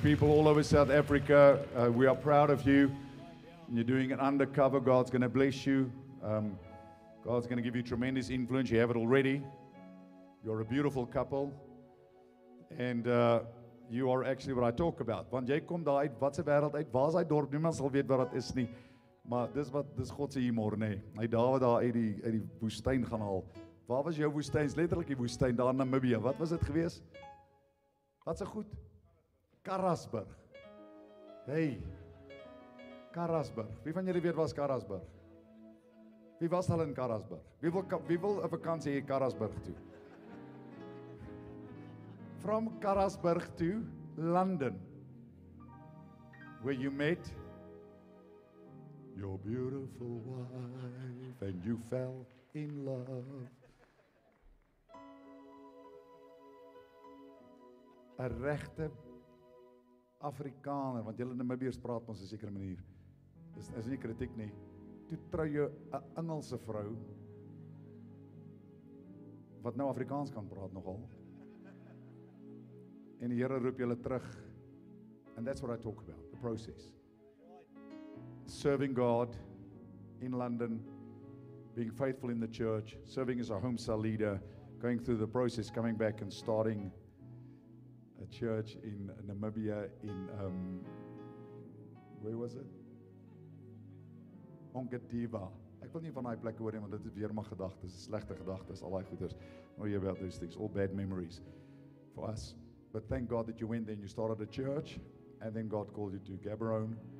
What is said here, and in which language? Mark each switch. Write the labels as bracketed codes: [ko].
[en] People all over South Africa, we are proud of you. You're doing it undercover. God's going to bless you. God's going to give you tremendous influence. You have it already. You're a beautiful couple. And you are actually what I talk about. [af] Want jy kom daar uit, wat se wêreld uit, waar se dorp, niemand sal weet wat dat is nie. Maar dis wat, dis God se humor, nê. Hy Dawid daar uit die woestyn gaan haal. Waar was jou woestyn? Letterlik die woestyn daar in Namibia. Wat was dit gewees? Wat se goed? Karasburg. Hey. Karasburg. Wie van julle weet waar's Karasburg? Wie was al in Karasburg? Wie wil 'n vakansie hier Karasburg toe? [en] From Karasburg to London. Where you met your beautiful wife, and you fell in love. [af] A rechte Afrikaner, want julle Namibiërs praat ons 'n sekere manier. Dis is nie kritiek nie. Toe trou jy 'n Engelse vrou wat nou Afrikaans kan praat nogal. En die Here roep julle terug. [en] And that's what I talk about, the process. Serving God in London, being faithful in the church, serving as a home cell leader, going through the process, coming back and starting a church in Namibia, in Where was it? Onkadiva. [af] Ek wil nie van daai plek hoor nie, want dit is weer my gedagtes, slegte gedagtes, al daai goeders. [en] Oh, yeah, about these things, all bad memories for us. But thank God that you went there and you started a church, and then God called you to Gaborone.